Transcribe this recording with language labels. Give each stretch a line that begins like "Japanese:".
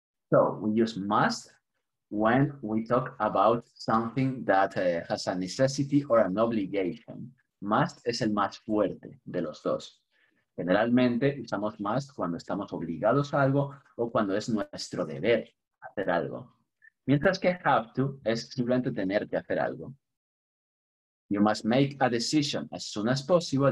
English: So, we use must when we talk about something that has a necessity or an obligation.
Spanish: Must es el más fuerte de los dos. Generalmente, usamos must cuando estamos obligados a algo o cuando es nuestro deber hacer algo. Mientras que have to es simplemente tener que hacer algo.
English: You must make a decision as soon as possible.